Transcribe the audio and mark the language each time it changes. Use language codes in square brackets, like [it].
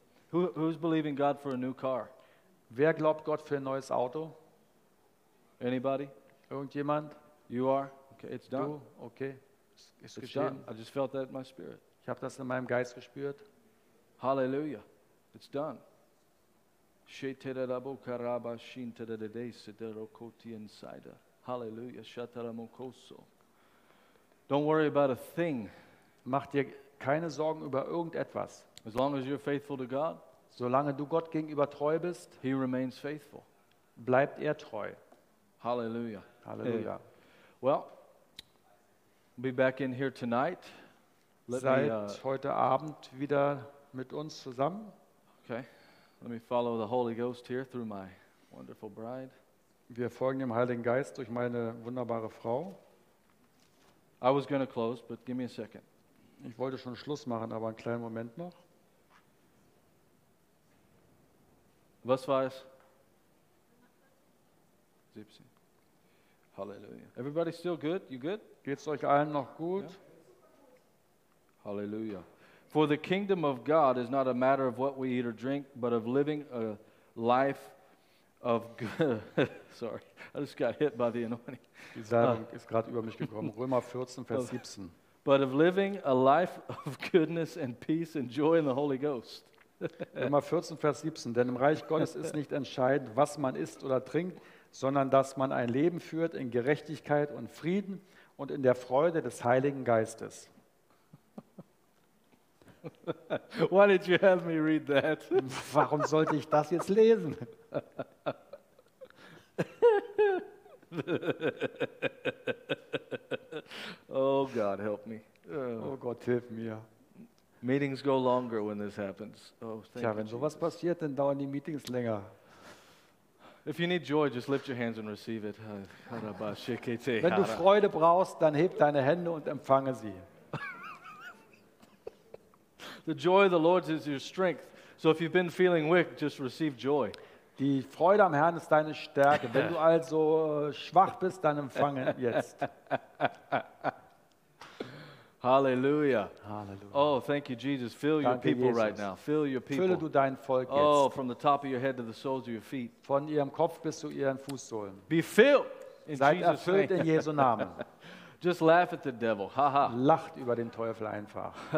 [en] Who's believing God for a new car? [de] Wer glaubt Gott für ein neues Auto? [en] Anybody? [de] Irgendjemand? [en] You are? Okay, it's done. [de] Du? Okay. [en] It's done. I just felt that in my spirit. [de] Ich habe das in meinem Geist gespürt. [en] Hallelujah. It's done. Shetera rabo karaba shintera de desa de rokoti insider. Hallelujah. Shatara mokoso. Don't worry about a thing. [de] Mach dir keine Sorgen über irgendetwas. [en] As long as you're faithful to God. [de] Solange du Gott gegenüber treu bist. [en] He remains faithful. [de] Bleibt er treu. [en] Hallelujah. Hallelujah. Well, be back in here tonight. [de] Heute Abend wieder mit uns zusammen. [en] Okay. Let me follow the Holy Ghost here through my wonderful bride. [de] Wir folgen dem Heiligen Geist durch meine wunderbare Frau. [en] I was going to close, but give me a second. [de] Ich wollte schon Schluss machen, aber einen kleinen Moment noch. Was war es? 17. Halleluja. [en] Everybody still good? You good? [de] Geht's euch allen noch gut? Ja. Halleluja. [en] For the kingdom of God is not a matter of what we eat or drink, but of living a life of good. Sorry, I just got hit by the anointing. [de] Die Salbung ist gerade über mich gekommen. Römer 14, Vers 17. [en] But of living a life of goodness and peace and joy in the Holy Ghost. [de] Römer 14, Vers 17. Denn im Reich Gottes ist nicht entscheidend, was man isst oder trinkt, sondern dass man ein Leben führt in Gerechtigkeit und Frieden und in der Freude des Heiligen Geistes. [en] Why did you have me read that? [de] Warum sollte ich das jetzt lesen? [en] Oh God, help me. [de] Oh Gott, hilf mir. [en] Meetings go longer when this happens. Oh, thank [de] you. Ja, wenn sowas passiert, dann dauern die Meetings länger. [en] If you need joy, just lift your hands and receive it. [de] Wenn du Freude brauchst, dann heb deine Hände und empfange sie. [en] The joy of the Lord is your strength. So if you've been feeling weak, just receive joy. [de] Die Freude am Herrn ist deine Stärke. Wenn du also schwach bist, dann empfange jetzt. [en] Hallelujah. Hallelujah. Oh, thank you, Jesus. Fill [de] Danke [en] your people [de] Jesus. [en] Right now. Fill your people. [de] Fülle du dein Volk jetzt. [en] Oh, from the top of your head to the soles of your feet. [de] Von ihrem Kopf bis zu ihren Fußsohlen. [en] Be filled in [de] Seid [en] Jesus' [de] erfüllt [en] name. [de] In Jesu Namen. [en] Just laugh at the devil. Ha, ha. [de] Lacht über den Teufel einfach.